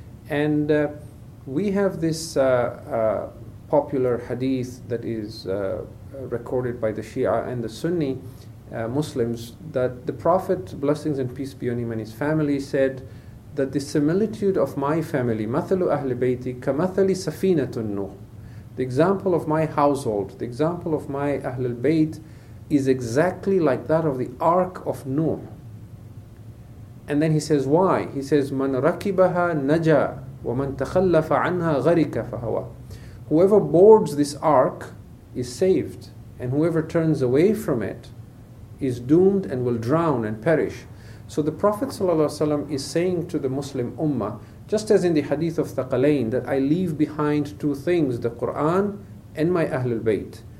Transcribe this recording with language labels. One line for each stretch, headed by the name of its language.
English: And we have this popular hadith that is recorded by the Shia and the Sunni Muslims, that the Prophet, blessings and peace be on him and his family, said that the similitude of my family,
Arabic: مَثَلُ أَهْلِ بَيْتِي كَمَثَلِ سَفِينَةٌ نُوحٍ,
English: the example of my household, the example of my Ahlul Bayt, is exactly like that of the Ark of Nuh. And then he says, why? He says,
Arabic: مَنْ رَكِبَهَا نَجَى وَمَنْ تَخَلَّفَ عَنْهَا غَرِكَ فَهَوَى.
English: Whoever boards this Ark is saved, and whoever turns away from it is doomed and will drown and perish. So the Prophet ﷺ is saying to the Muslim Ummah, just as in the hadith of Thaqalain, that I leave behind two things, the Qur'an and my Ahlul Bayt.